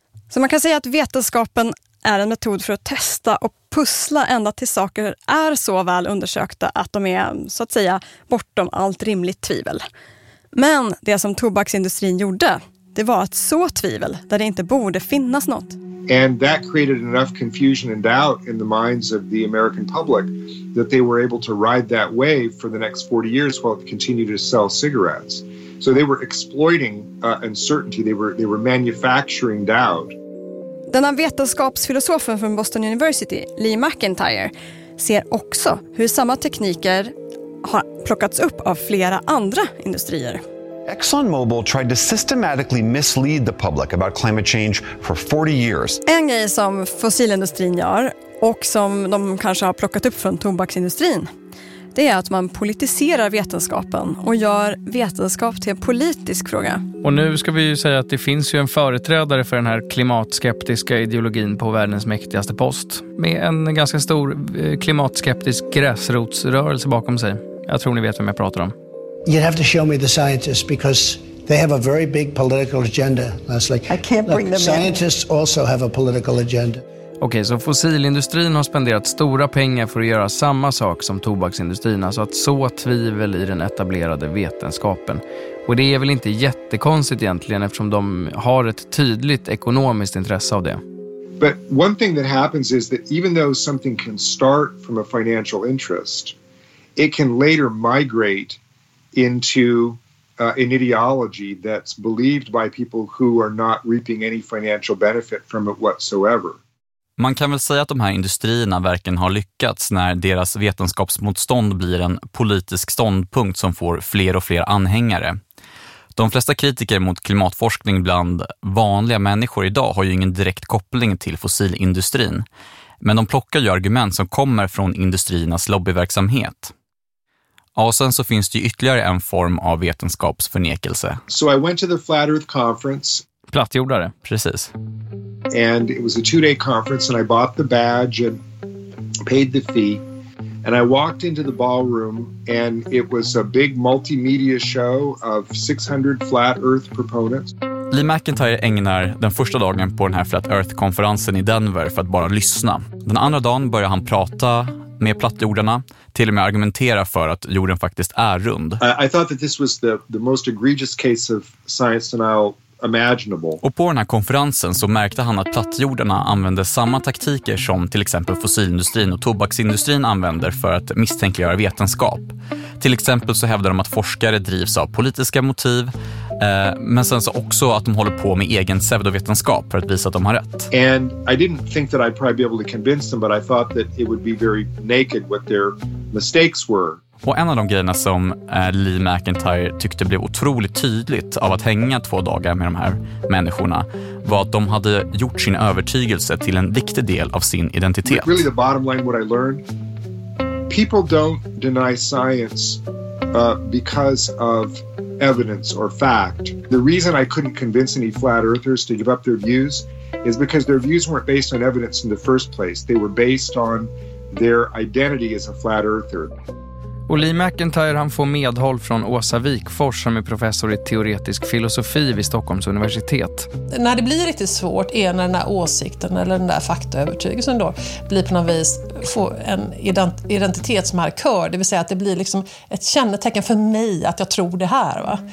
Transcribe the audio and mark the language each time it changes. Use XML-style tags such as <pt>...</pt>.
<sv>Så man kan säga att vetenskapen är en metod för att testa och pussla ända tills saker är så väl undersökta att de är, så att säga, bortom allt rimligt tvivel. Men det som tobaksindustrin gjorde, det var att så tvivel där det inte borde finnas något.</sv> <en>And that created enough confusion and doubt in the minds of the American public that they were able to ride that wave for the next 40 years while it continued to sell cigarettes. So they were exploiting uncertainty. They were manufacturing doubt.</en> <sv>Denna vetenskapsfilosofen från Boston University, Lee McIntyre, ser också hur samma tekniker har plockats upp av flera andra industrier.</sv> <en>ExxonMobil tried to systematically mislead the public about climate change for 40 years.</en> <sv>En grej som fossilindustrin gör och som de kanske har plockat upp från tobaksindustrin, det är att man politiserar vetenskapen och gör vetenskap till en politisk fråga. Och nu ska vi ju säga att det finns ju en företrädare för den här klimatskeptiska ideologin på världens mäktigaste post. Med en ganska stor klimatskeptisk gräsrotsrörelse bakom sig. Jag tror ni vet vem jag pratar om.</sv> <en>You'd have to show me the scientists because they have a very big political agenda. Scientists also have a political agenda.</en> <sv>Okej, så fossilindustrin har spenderat stora pengar för att göra samma sak som tobaksindustrin, alltså att så tvivel i den etablerade vetenskapen. Och det är väl inte jättekonstigt egentligen eftersom de har ett tydligt ekonomiskt intresse av det.</sv> <en>But one thing that happens is that even though something can start from a financial interest, it can later migrate into an ideology that's believed by people who are not reaping any financial benefit from it whatsoever.</en> <sv>Man kan väl säga att de här industrierna verkligen har lyckats när deras vetenskapsmotstånd blir en politisk ståndpunkt som får fler och fler anhängare. De flesta kritiker mot klimatforskning bland vanliga människor idag har ju ingen direkt koppling till fossilindustrin. Men de plockar ju argument som kommer från industriernas lobbyverksamhet. Och sen så finns det ju ytterligare en form av vetenskapsförnekelse.</sv> <en>So I went to the Flat Earth Conference.</en> <sv>Plattjordare, precis.</sv> <en>And it was a two-day conference and I bought the badge and paid the fee. And I walked into the ballroom and it was a big multimedia show of 600 flat earth proponents.</en> <sv>Lee McIntyre ägnar den första dagen på den här Flat Earth-konferensen i Denver för att bara lyssna. Den andra dagen börjar han prata med plattjordarna, till och med argumentera för att jorden faktiskt är rund. I thought that this was the most egregious case of science denial. Och på den här konferensen så märkte han att plattjordarna använde samma taktiker som till exempel fossilindustrin och tobaksindustrin använder för att misstänkliggöra vetenskap. Till exempel så hävdar de att forskare drivs av politiska motiv, men sen så också att de håller på med egen pseudovetenskap för att visa att de har rätt.</sv> <en>And I didn't think that I'd probably be able to convince them, but I thought that it would be very naked what their mistakes were.</en> <sv>Och en av de grejerna som Lee McIntyre tyckte blev otroligt tydligt av att hänga två dagar med de här människorna var att de hade gjort sin övertygelse till en viktig del av sin identitet.</sv> <en>Really the bottom line what I learned, people don't deny science because of evidence or fact. The reason I couldn't convince any flat earthers to give up their views is because their views weren't based on evidence in the first place. They were based on their identity as a flat earther.</en> <sv>Och Lee McIntyre, han får medhåll från Åsa Wikfors som är professor i teoretisk filosofi vid Stockholms universitet. När det blir riktigt svårt är när den där åsikten eller den där faktaövertygelsen då blir på något vis får en identitetsmarkör. Det vill säga att det blir liksom ett kännetecken för mig att jag tror det här, va?</sv>